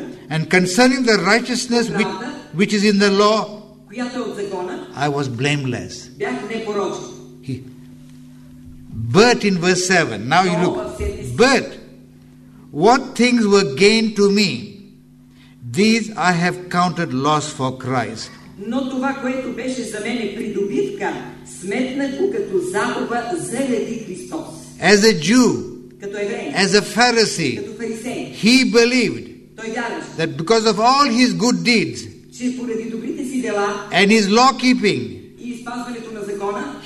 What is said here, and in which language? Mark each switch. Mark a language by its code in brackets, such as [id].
[en] And concerning the righteousness which is in the law, I was blameless. But in verse 7, now you look. But what things were gained to me, these I have counted loss for Christ. [bg] Но това, което беше за мене придобивка, сметнах го като загуба заради Христос. [en] As a Jew, [bg] като еврей, [en] as a Pharisee, [bg] като фарисей, [en] he believed that because of all his good deeds, [bg] че поради добрите си дела, [en] and his law keeping, [bg] и изпазването на закона,